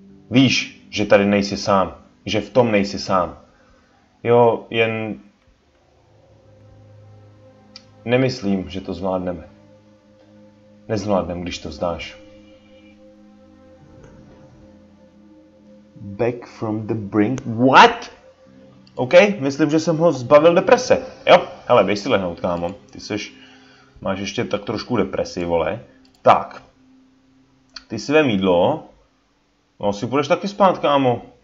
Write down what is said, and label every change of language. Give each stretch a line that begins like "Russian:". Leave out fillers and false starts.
Czech: Víš, že tady nejsi sám, že v tom nejsi sám. Jo, jen... Nemyslím, že to zvládneme. Nezvládneme, když to vzdáš.
English: Back from the brink, what?
Czech: OK, myslím, že jsem ho zbavil deprese. Jo, hele, běž si lehnout, kámo. Ty seš, máš ještě tak trošku depresi, vole. Tak, ty si vem jídlo. No, si půjdeš taky spát, kámo.